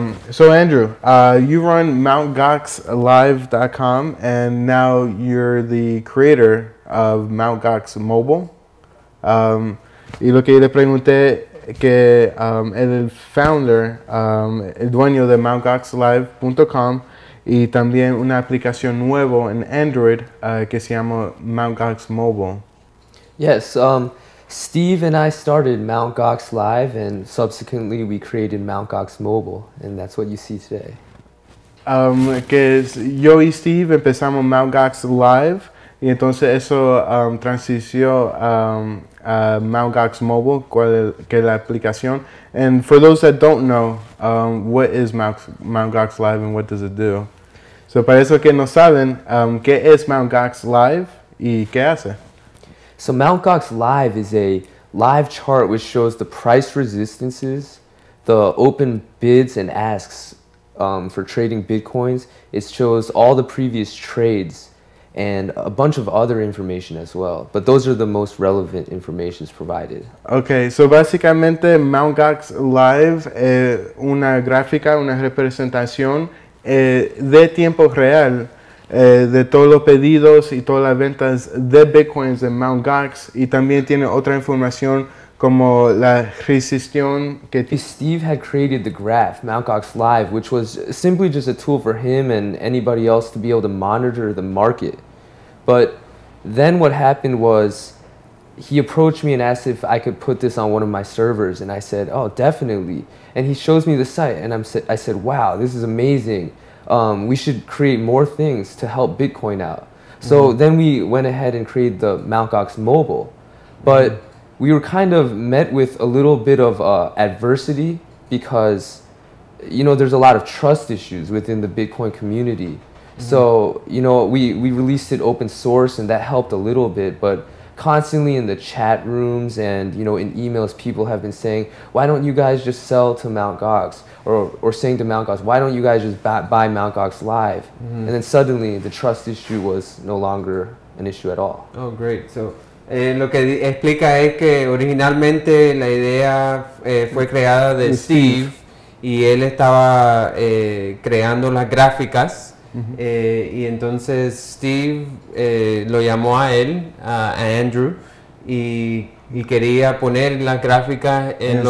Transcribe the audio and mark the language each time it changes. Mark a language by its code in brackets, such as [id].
[en] So Andrew, you run MountGoxLive.com and now you're the creator of MountGox Mobile. [es] Y lo que yo le pregunté que el founder, el dueño de MountGoxLive.com y también una aplicación nueva en Android que se llama MountGox Mobile. [en] Yes, Steve and I started Mt. Gox Live, and subsequently we created Mt. Gox Mobile, and that's what you see today. [es] Que yo y Steve empezamos Mt. Gox Live, y entonces eso transicionó a Mt. Gox Mobile, que es la aplicación. [en] And for those that don't know, what is Mt. Gox Live and what does it do? [es] So para eso que no saben, ¿qué es Mt. Gox Live y qué hace? [en] So Mt. Gox Live is a live chart which shows the price resistances, the open bids and asks for trading bitcoins. It shows all the previous trades and a bunch of other information as well. But those are the most relevant information provided. [es] Okay, so básicamente Mt. Gox Live es una gráfica, una representación de tiempo real. De todos los pedidos y todas las ventas de bitcoins en Mt. Gox y también tiene otra información como la resistión que [en] Steve had created the graph Mt. Gox Live, which was simply just a tool for him and anybody else to be able to monitor the market. But then what happened was he approached me and asked if I could put this on one of my servers, and I said, oh, definitely. And he shows me the site, and I said, wow, this is amazing. We should create more things to help Bitcoin out. So then we went ahead and created the Mt. Gox Mobile. But we were kind of met with a little bit of adversity because, you know, there's a lot of trust issues within the Bitcoin community. So, you know, we released it open source and that helped a little bit. But constantly in the chat rooms and, you know, in emails, people have been saying, why don't you guys just sell to Mt. Gox? Or saying to Mt. Gox, why don't you guys just buy Mt. Gox Live? Mm-hmm. And then suddenly the trust issue was no longer an issue at all. Oh, great. [es] So, lo que explica es que originalmente la idea fue creada de Steve y él estaba creando las gráficas. Mm-hmm. Y entonces Steve lo llamó a él, a Andrew, y quería poner las gráficas en